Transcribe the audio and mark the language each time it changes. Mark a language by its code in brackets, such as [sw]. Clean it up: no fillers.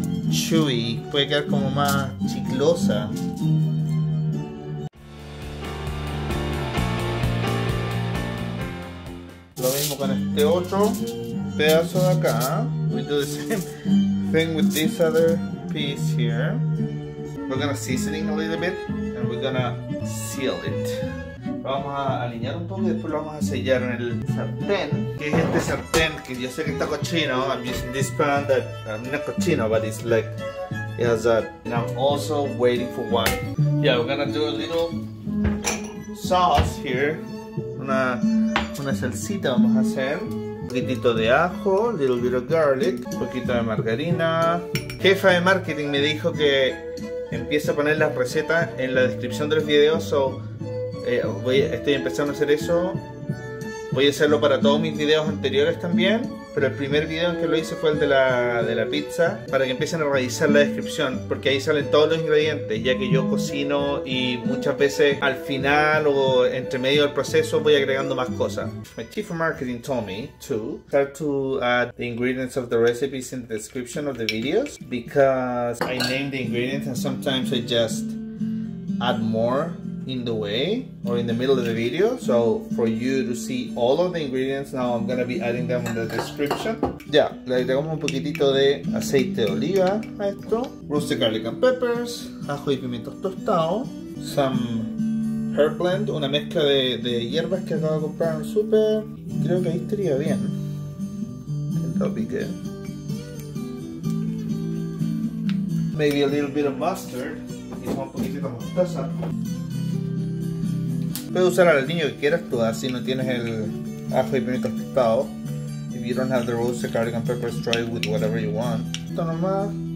[es] Chewy, puede quedar como más chiclosa. Lo mismo con este otro pedazo de acá. [en] We do the same thing with this other piece here. We're gonna season it a little bit. We're gonna seal it. [es] Vamos a alinear un poco y después lo vamos a sellar en el sartén. Que es este sartén que yo sé que está cochino. [en] I'm using this pan that I'm not cochino, but it's like it has that. And I'm also waiting for one. Yeah, we're gonna do a little sauce here. [es] Una salsita vamos a hacer. Un poquitito de ajo, [en] a little bit of garlic, [es] un poquito de margarina. Jefa de marketing me dijo que empieza a poner las recetas en la descripción de los videos, so estoy empezando a hacer eso. Voy a hacerlo para todos mis videos anteriores también, pero el primer video que lo hice fue el de la pizza, para que empiecen a revisar la descripción, porque ahí salen todos los ingredientes, ya que yo cocino y muchas veces al final o entre medio del proceso voy agregando más cosas. [en] My chief of marketing told me to start to add the ingredients of the recipes in the description of the videos, because I name the ingredients and sometimes I just add more in the way or in the middle of the video, so for you to see all of the ingredients, now I'm gonna be adding them in the description. [es] Yeah, le agregamos un poquitito de aceite de oliva a esto, [en] roasted garlic and peppers, [es] ajo y pimientos tostados, [en] some herb blend, [es] una mezcla de hierbas que acabo de comprar en el super. Creo que ahí estaría bien. [en] That'll be good. Maybe a little bit of mustard, [es] y un poquitito de mostaza. Puedes usar al niño que quieras tú, así no tienes el ajo y pimientos tostados. [en] If you don't have the roasted garlic and peppers, try it with whatever you want. [es] Esto nomás.